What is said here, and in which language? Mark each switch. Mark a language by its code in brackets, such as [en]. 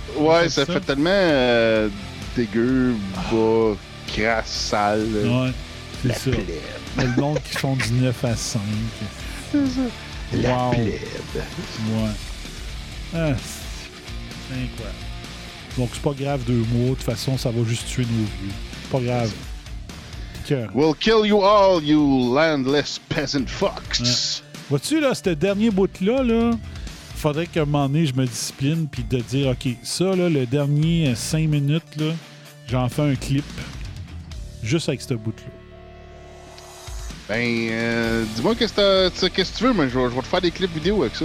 [fr] Ouais, ça fait tellement... dégueu, bas, crasse, sale. Ouais, c'est la plèbe. Le monde qui font du 9 à 5. C'est ça. La wow. Plèbe. Ouais. C'est incroyable. Donc, c'est pas grave, deux mots. De toute façon, ça va juste tuer nos vieux. Pas grave. [en] We'll kill you all, you landless peasant fucks. [fr] Ouais. Vois-tu, là, ce dernier bout-là, là, faudrait qu'à un moment donné, je me discipline puis de dire, OK, ça, là, le dernier 5 minutes, là, j'en fais un clip juste avec ce bout-là. Ben, dis-moi qu'est-ce que tu veux, mais je vais te faire des clips vidéo avec ça.